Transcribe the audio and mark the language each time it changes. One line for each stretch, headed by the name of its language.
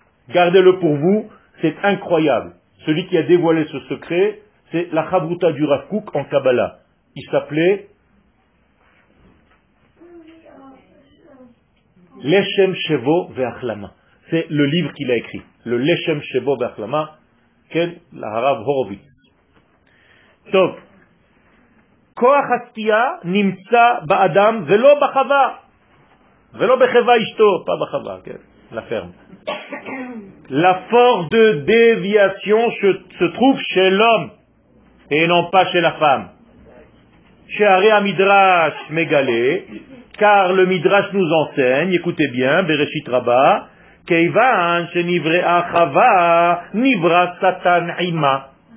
French: Gardez-le pour vous, c'est incroyable. Celui qui a dévoilé ce secret, c'est la Chavruta du Rav Kook en Kabbalah. Il s'appelait Leshem Shevo Ve'achlama. C'est le livre qu'il a écrit. Le Leshem Shevo Ve'achlama.
Hebrew: כן, הרב הורוביץ. טוב, כוח הסטייה נמצא באדם ולא בחווה, ולא בחווה אשתו, פעם בחווה, כן, לפרם.
French: La force de déviation se trouve chez l'homme et non pas chez la femme. Chez Aréa Midrash Megalé, car le Midrash nous enseigne, écoutez bien, Bereshit Rabba,
Hebrew: Keivan, Shenivre Achava, Nivra Satan Ima.